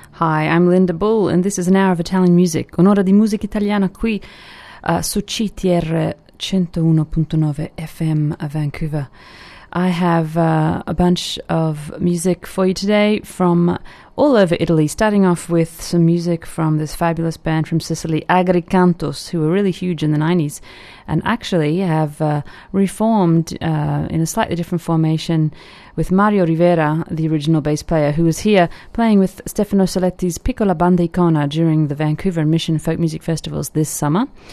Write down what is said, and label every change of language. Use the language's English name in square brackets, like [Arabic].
[English] Hi, I'm Linda Bull, and this is an hour of Italian music. [Italian] Un'ora di musica italiana qui su CTR 101.9 FM a Vancouver. [English] I have a bunch of music for you today from all over Italy, starting off with some music from this fabulous band from Sicily, Agricantos, who were really huge in the 90s and actually have reformed in a slightly different formation with Mario Rivera, the original bass player, who was here playing with Stefano Soletti's Piccola Banda Icona during the Vancouver and Mission Folk Music Festivals this summer.